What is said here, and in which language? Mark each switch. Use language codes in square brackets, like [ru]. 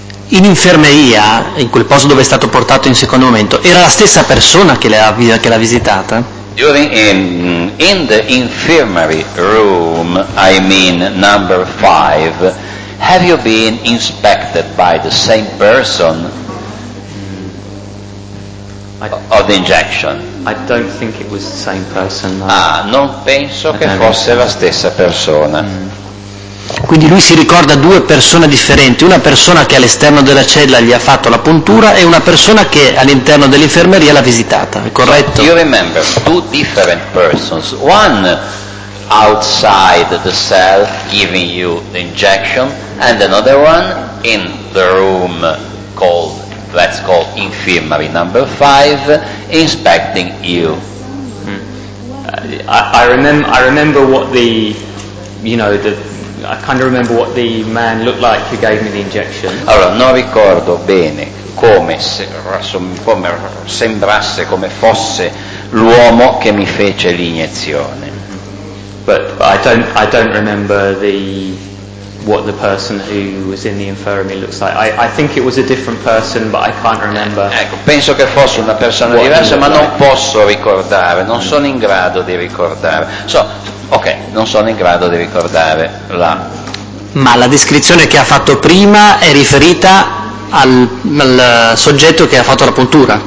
[it] In infermeria, in quel posto dove è stato portato in secondo momento, era la stessa persona che l'ha visitata? [en] During in the infirmary room, I mean number 5, have you been inspected by the same person of the injection? I don't think it was the same person. No. [it] Ah, non penso che fosse la stessa persona. Quindi lui si ricorda due persone differenti, una persona che all'esterno della cella gli ha fatto la puntura e una persona che all'interno dell'infermeria l'ha visitata, è corretto? [en] You remember two different persons, one outside the cell giving you the injection and another one in the room called, let's call infirmary number 5, inspecting you. I remember what the, you know, the I kind of remember what the man looked like who gave me the injection. [it] Allora, non ricordo bene come, come sembrasse, come fosse l'uomo che mi fece l'iniezione. [en] But I don't remember the what the person who was in the infirmary looks like. I think it was a different person, but I can't remember. [it] Ecco, penso che fosse una persona diversa, ma non posso ricordare, non sono in grado di ricordare. So, ok, non sono in grado di ricordare la... Ma la descrizione che ha fatto prima è riferita al, al soggetto che ha fatto la puntura?